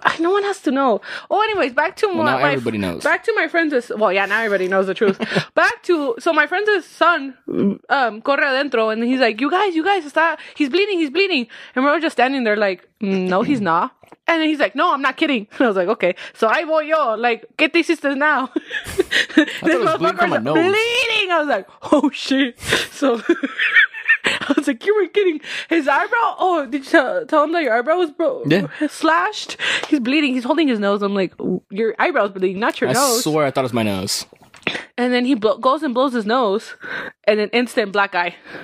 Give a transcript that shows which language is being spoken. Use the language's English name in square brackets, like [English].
[English] No one has to know. Oh, anyways, back to everybody knows. Back to my friend's, now everybody knows the truth. So my friend's son, [Spanish] corre adentro, [English] and he's like, you guys, stop. He's bleeding. And we're all just standing there like, no, he's not. And then he's like, no, I'm not kidding. And I was like, okay. So I [Spanish] voy yo, like, ¿qué te hiciste [English] now? This motherfucker's bleeding. I was like, oh, shit. So I was like, you weren't kidding. His eyebrow, did you tell him that your eyebrow was slashed? He's bleeding. He's holding his nose. I'm like, your eyebrow's bleeding, not your nose. I swear I thought it was my nose. And then he goes and blows his nose, and an instant black eye.